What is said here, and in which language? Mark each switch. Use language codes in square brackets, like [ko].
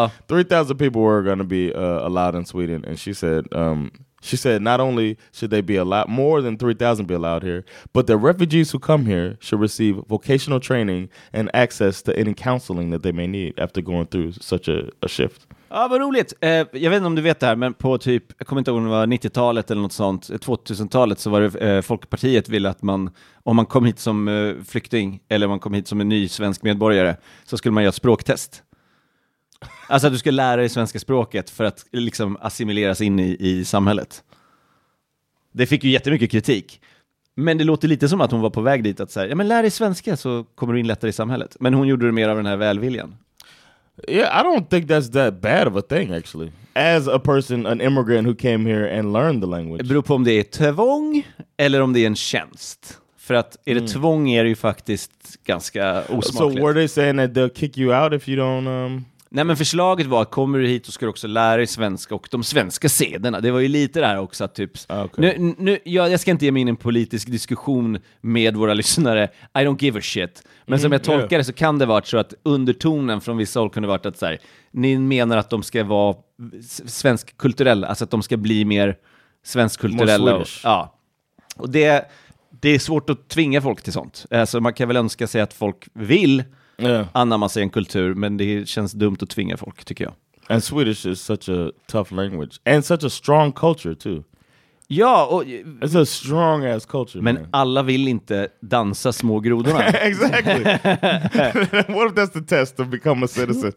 [en] 3,000 people were going to be allowed in Sweden, and she said, she said not only should they be allowed, more than 3,000 be allowed here, but the refugees who come here should receive vocational training and access to any counseling that they may need after going through such a shift. [sv] Ja, vad roligt. Jag vet inte om du vet det här, men på typ, jag kommer inte ihåg om det var 90-talet eller något sånt, 2000-talet, så var det Folkpartiet ville att man, om man kom hit som flykting eller om man kom hit som en ny svensk medborgare, så skulle man göra språktest. Alltså att du skulle lära dig svenska språket för att liksom assimileras in i samhället. Det fick ju jättemycket kritik. Men det låter lite som att hon var på väg dit att säga, ja men lär dig svenska så kommer du in lättare i samhället. Men hon gjorde det mer av den här välviljan. [en] Yeah, I don't think that's that bad of a thing, actually. As a person, an immigrant who came here and learned the language. [sv] Det beror på om det är tvång eller om det är en tjänst. För att är det tvång är det ju faktiskt ganska osmakligt. [en] So were they saying that they'll kick you out if you don't... [sv] Nej, men förslaget var att kommer du hit så ska du också lära dig svenska och de svenska sederna. Det var ju lite det här också, typ. [en] Okay. [sv] Jag ska inte ge mig in en politisk diskussion med våra lyssnare. [en] I don't give a shit. [sv] Men som jag tolkar det så kan det vara så att undertonen från vissa håll kunde varit att så här, ni menar att de ska vara svensk kulturella, alltså att de ska bli mer svensk kulturella. [en] More Swedish. [sv] Ja. Och det är svårt att tvinga folk till sånt. Alltså man kan väl önska sig att folk vill... Yeah. Annan man säger en kultur, men det känns dumt att tvinga folk, tycker jag. [en] And Swedish is such a tough language. And such a strong culture, too. [sv] Ja, och... [en] It's a strong-ass culture, [sv] men [en] man. [sv] Alla vill inte dansa små grodorna. [en] Exactly. What if that's the test to become a citizen?